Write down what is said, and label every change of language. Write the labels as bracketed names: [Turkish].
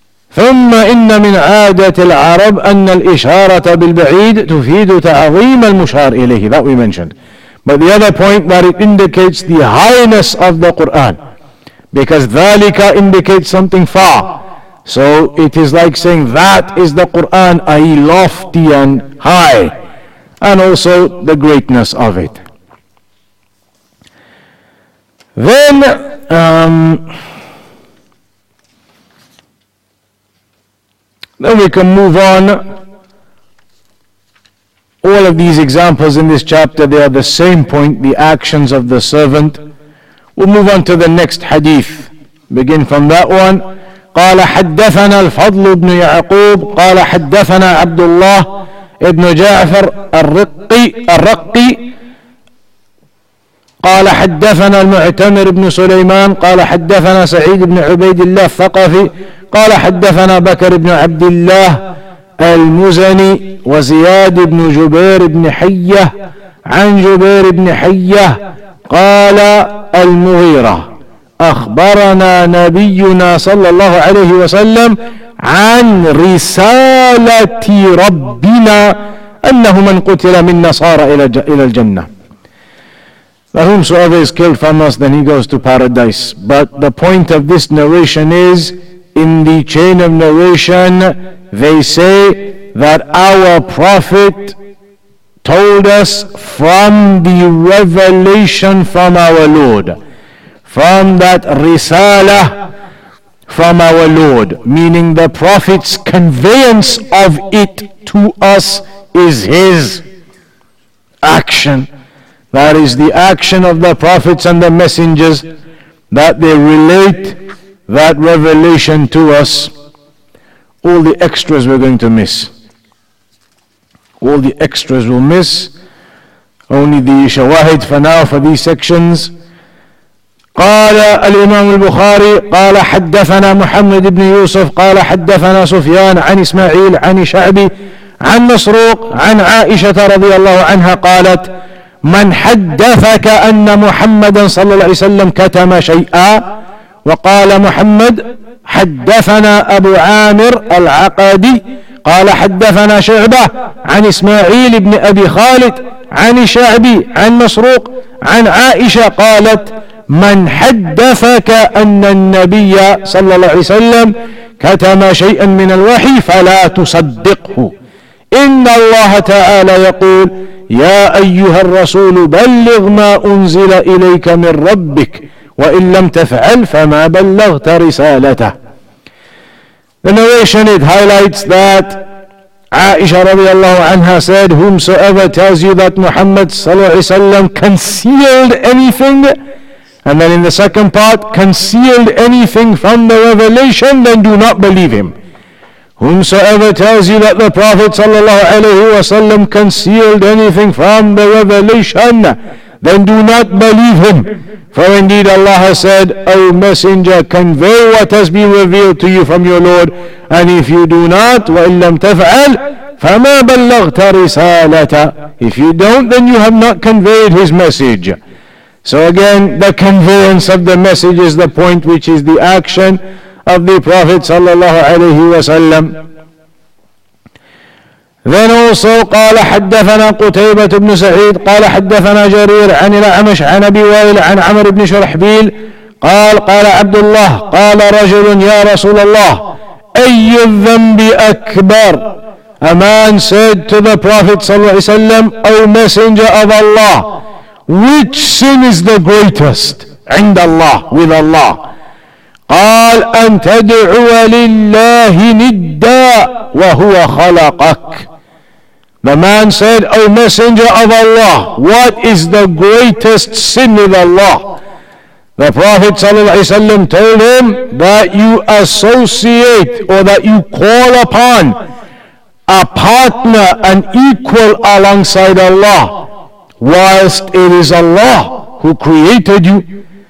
[Arabic] ثم إن من عادة العرب أن الإشارة بالبعيد تفيد تعظيم المشار إليه. [English] That we mentioned. But the other point, that it indicates the highness of the Quran. Because ذلك indicates something far. So it is like saying that is the Quran, i.e. lofty and high. And also the greatness of it. Then, then we can move on. All of these examples in this chapter, they are the same point, the actions of the servant. We'll move on to the next hadith. Begin from that one. [Arabic] قال حدثنا الفضل بن يعقوب قال حدثنا عبد الله ابن جعفر الرقي قال حدثنا المعتمر بن سليمان قال حدثنا سعيد بن عبيد الله الثقفي قال حدثنا بكر بن عبد الله المزني وزياد بن جبير بن حية عن جبير بن حية قال المغيرة أخبرنا نبينا صلى الله عليه وسلم عن رسالة ربنا أنه من قتل من نصارى إلى الجنة. [English] that whosoever is killed from us, then he goes to paradise. But the point of this narration is, in the chain of narration, they say that our Prophet told us from the revelation from our Lord, from that Risalah from our Lord, meaning the Prophet's conveyance of it to us is his action. That is the action of the Prophets and the Messengers, that they relate that revelation to us. All the extras we're going to miss. All the extras we'll miss. Only the shawahid for now for these sections. [Arabic] قال الإمام البخاري قال حدثنا محمد بن يوسف قال حدثنا سفيان عن إسماعيل عن شعبي عن مسروق عن عائشة رضي الله عنها قالت من حدثك أن محمدا صلى الله عليه وسلم كتم شيئا وقال محمد حدثنا أبو عامر العقدي قال حدثنا شعبة عن إسماعيل بن أبي خالد عن شعبي عن مسروق عن عائشة قالت من حدثك أن النبي صلى الله عليه وسلم كتم شيئا من الوحي فلا تصدقه إن الله تعالى يقول يا أيها الرسول بلغ ما أنزل إليك من ربك وإن لم تفعل فما بلغت رسالته. [English] The narration, it highlights that Aisha radiallahu anha said, whomsoever tells you that Muhammad sallallahu alayhi wa sallam concealed anything, and then in the second part, concealed anything from the revelation, then do not believe him. Whomsoever tells you that the Prophet sallallahu alayhi wa sallam concealed anything from the revelation, then do not believe him. For indeed Allah has said, O Messenger, convey what has been revealed to you from your Lord. And if you do not, [Arabic] وَإِن لَمْ تَفْعَلْ فَمَا بَلَّغْتَ رِسَالَةَ. [English] If you don't, then you have not conveyed his message. So again, the conveyance of the message is the point, which is the action of the Prophet sallallahu alayhi wa sallam. Then also [Arabic] قال حدثنا قتيبة بن سعيد قال حدثنا جرير عن الأعمش عن أبي وائل عن عمر بن شرحبيل قال قال عبد الله قال رجل يا رسول الله أي الذنب أكبر. [English] A man said to the Prophet صلى الله عليه وسلم, O Messenger of Allah, which sin is the greatest [Arabic] عند الله [English] with Allah? [Arabic] قال أن تدعو لله نداء وهو خلقك. [English] The man said, O Messenger of Allah, what is the greatest sin with Allah? The Prophet ﷺ told him that you associate or that you call upon a partner, an equal alongside Allah, whilst it is Allah who created you.